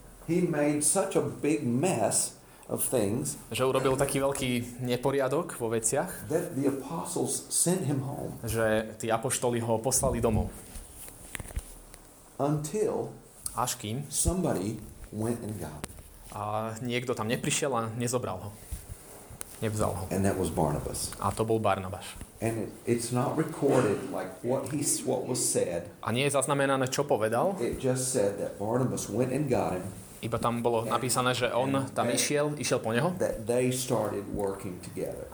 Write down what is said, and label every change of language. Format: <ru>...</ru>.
<en>He made such a big mess of things.</en> <sk>Že urobil taký veľký neporiadok vo veciach.</sk> <en>That the apostles sent him home.</en> <sk>Že tí apoštoli ho poslali domov.</sk> <en>Until</en> <sk>až kým</sk> <en>somebody went and got him.</en> <sk>A niekto tam neprišiel a nezobral ho. Nevzal ho.</sk> <en>And that was Barnabas.</en> <sk>A to bol Barnabáš.</sk> <en>And it's not recorded like what was said.</en> <sk>A nie je zaznamenané, čo povedal.</sk> <en>It just said that Barnabas went and got him.</en> <sk>Iba tam bolo napísané, že on tam išiel po neho.</sk> <en>That they started working together.</en>